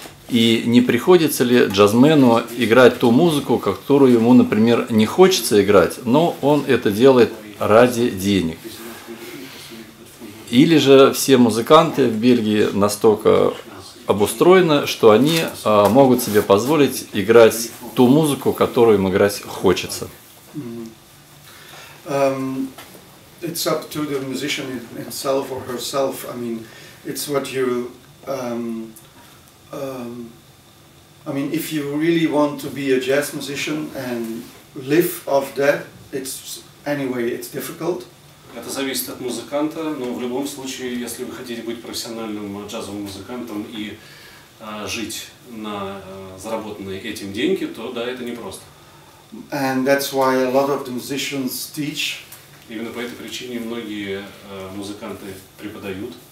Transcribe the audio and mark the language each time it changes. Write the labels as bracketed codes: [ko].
[ru] И не приходится ли джазмену играть ту музыку, которую ему, например, не хочется играть, но он это делает ради денег? Или же все музыканты в Бельгии настолько обустроено, что они могут себе позволить играть ту музыку, которую им играть хочется. [en] It's up to the musician himself or herself. I mean, it's what you. I mean, if you really want to be a jazz musician and live off that, it's anyway, it's difficult. [ru] Это зависит от музыканта, но в любом случае, если вы хотите быть профессиональным джазовым музыкантом и жить на заработанные этим деньги, то да, это непросто. [en] And that's why a lot of the musicians teach. [ru] Именно по этой причине многие музыканты преподают.